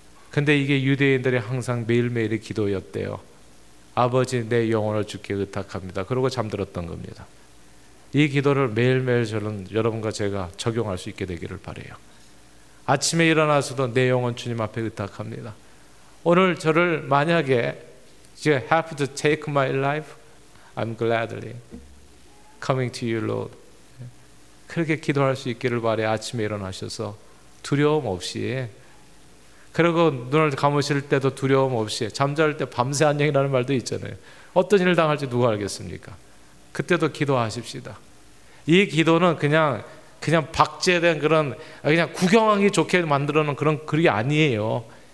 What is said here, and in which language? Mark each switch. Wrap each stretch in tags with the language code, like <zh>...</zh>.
<ko>근데 이게 유대인들이 항상 매일매일의 기도였대요. 아버지 내 영혼을 주께 의탁합니다. 그러고 잠들었던 겁니다. 이 기도를 매일매일 저는 여러분과 제가 적용할 수 있게 되기를 바라요. 아침에 일어나서도 내 영혼 주님 앞에 의탁합니다. 오늘 저를 만약에</ko> <en>I have to take my life, I'm gladly coming to you, Lord.</en> <ko>그렇게 기도할 수 있기를 바라요. 아침에 일어나셔서 두려움 없이, 그리고 눈을 감으실 때도 두려움 없이, 잠잘 때 밤새 안녕이라는 말도 있잖아요. 어떤 일을 당할지 누가 알겠습니까? 그때도 기도하십시다. 이 기도는 그냥 박제에 대한 그런 그냥 구경하기 좋게 만들어놓은 그런 글이 아니에요.</ko>